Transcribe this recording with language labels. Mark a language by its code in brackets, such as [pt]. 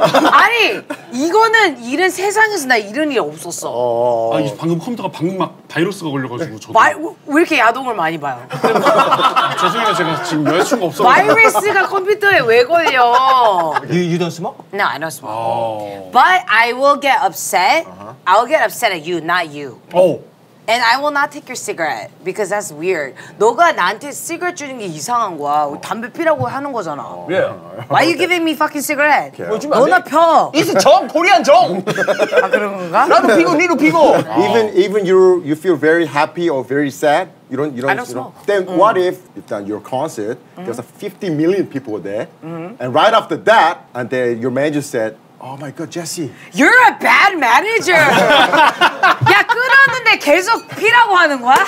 [ko] 아니 이거는 이런 세상에서 나 이런 일 없었어. 아니 방금 컴퓨터가 방금 막 바이러스가 걸려가지고 저도. 왜 이렇게 야동을 많이 봐요? 죄송해요 제가 지금 여자친구 없어. 바이러스가 컴퓨터에 왜 걸려? [en] You don't smoke? No, I don't smoke. But I will get upset. Uh-huh. I will get upset at you, not you. And I will not take your cigarette because that's weird. [ko] 너가 나한테 cigarette 주는 게 이상한 거야. 담배 피라고 하는 거잖아. [en] Yeah. Why you giving me fucking cigarette? Okay. [ko] 너나 펴. [en] It's 정, Korean 정. [ko] 아 그런 건가? 나도 피고, 니도 피고. [en] Even you feel very happy or very sad. You don't smoke. Then what if at your concert there's 50 million people there, and right after that, and then your manager said. Oh my god, Jesse. You're a bad manager. [ko] 야, 끊었는데 계속 피라고 하는 거야?